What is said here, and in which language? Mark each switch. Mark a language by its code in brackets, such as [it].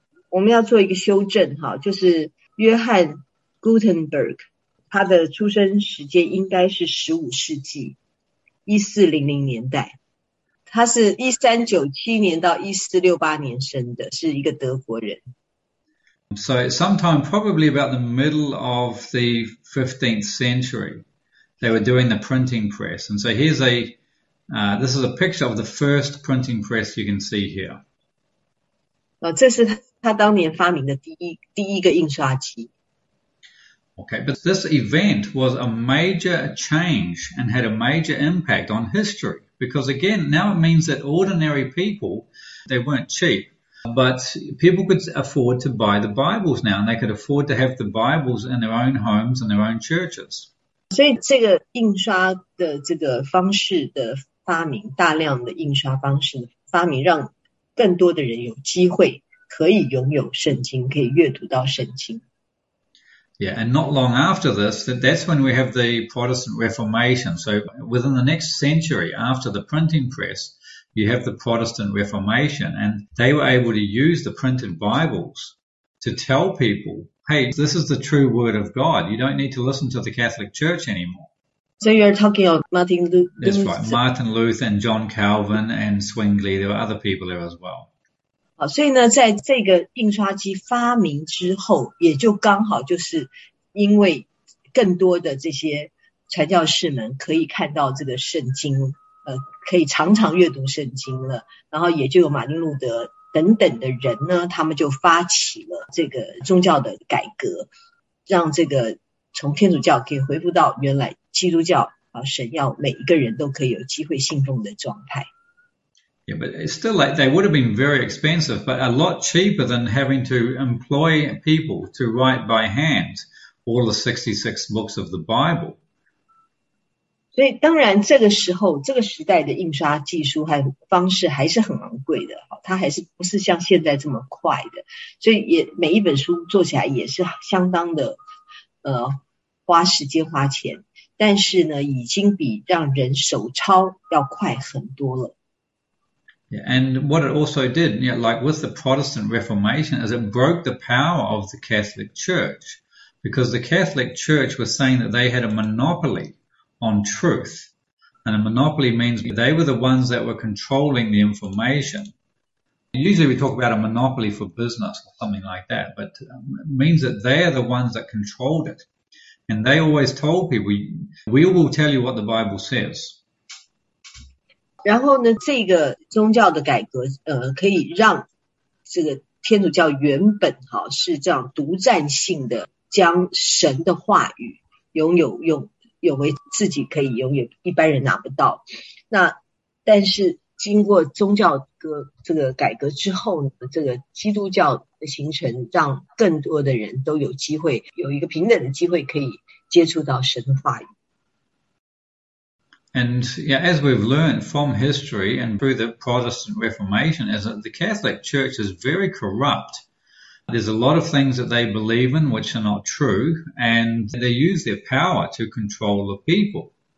[zh] 我们要做一个修正哈，就是约翰 Gutenberg 他的出生时间应该是15世纪1400年代，他是1397年到1468年生的，是一个德国人。 [en] So, sometime probably about the middle of the 15th century, they were doing the printing press. And so, here's a this is a picture of the first printing press you can see here. [zh] 这是他当年发明的第一个印刷机。 [en] Okay, but this event was a major change and had a major impact on history. Because again, now it means that ordinary people, they weren't cheap, but people could afford to buy the Bibles now, and they could afford to have the Bibles in their own homes and their own churches. [zh] 所以这个印刷的这个方式的发明，大量的印刷方式的发明，让更多的人有机会可以拥有圣经，可以阅读到圣经。 [en] Yeah, and not long after this, that's when we have the Protestant Reformation. So within the next century after the printing press, you have the Protestant Reformation, and they were able to use the printed Bibles to tell people, hey, this is the true word of God. You don't need to listen to the Catholic Church anymore. So you're talking of Martin That's right. Luther. Martin Luther and John Calvin and Zwingli, there were other people there as well. [zh] 所以呢，在这个印刷机发明之后，也就刚好就是因为更多的这些传教士们可以看到这个圣经，可以常常阅读圣经了，然后也就有马丁路德等等的人呢，他们就发起了这个宗教的改革，让这个从天主教可以恢复到原来。基督教啊，神要每一个人都可以有机会信奉的状态。 [en] Yeah, but it's still like they would have been very expensive, but a lot cheaper than having to employ people to write by hand all the 66 books of the Bible. [zh] 所以，当然，这个时候，这个时代的印刷技术和方式还是很昂贵的，它还是不是像现在这么快的，所以也每一本书做起来也是相当的，花时间花钱。但是呢，已经比让人手抄要快很多了。 [en] Yeah, and what it also did, like with the Protestant Reformation, is it broke the power of the Catholic Church because the Catholic Church was saying that they had a monopoly on truth. And a monopoly means they were the ones that were controlling the information. Usually we talk about a monopoly for business or something like that, but it means that they're the ones that controlled it. And they always told people, we will tell you what the Bible says. [zh] 然后呢，这个宗教的改革，可以让这个天主教原本是这样独占性的，将神的话语拥有有为自己可以拥有，一般人拿不到。那但是经过宗教这个改革之后呢，这个基督教的形成，让更多的人都有机会有一个平等的机会，可以接触到神的话语。 [en] And yeah, as we've learned from history and through the Protestant Reformation, is that the Catholic Church is very corrupt. There's a lot of things that they believe in which are not true, and they use their power to control the people.